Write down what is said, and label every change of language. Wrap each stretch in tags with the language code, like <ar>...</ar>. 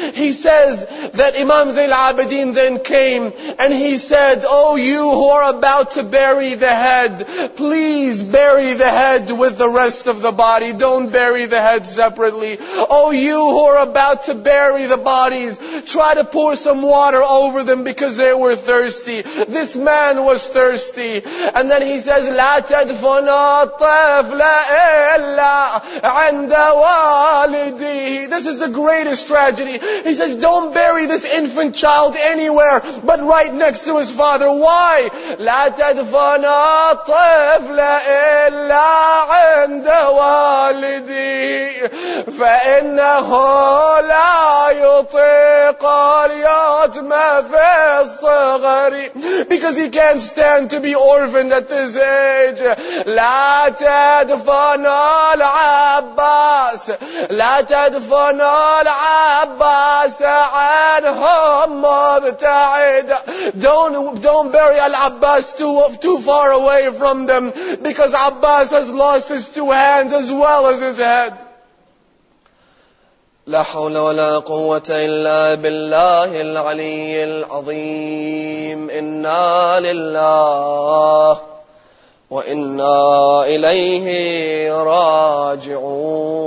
<en>He says that Imam Zain al-Abidin then came and he said, "Oh you who are about to bury the head, please bury the head with the rest of the body. Don't bury the head separately. Oh you who are about to bury the bodies, try to pour some water over them because they were thirsty." This man was thirsty. And then he says,</en> <ar>"لا تدفن الطفل إلا عند والديه."</ar> <en>This is the greatest tragedy. He says, "Don't bury this infant child anywhere but right next to his father." Why?</en> <ar>"لا تدفن الطفل إلا عند والديه فإنه لا يطيق اليتم في الصغر."</ar> <en>Because he can't stand to be orphaned at this age.</en> <ar>"لا تدفن العباس لا تدفن العباس عنهم مبتعد."</ar> <en>Don't bury Al-Abbas too far away from them, because Abbas has lost his two hands as well as his head.</en> <ar>لا حول ولا قوة إلا بالله العلي العظيم. إنا لله وإنا إليه راجعون.</ar>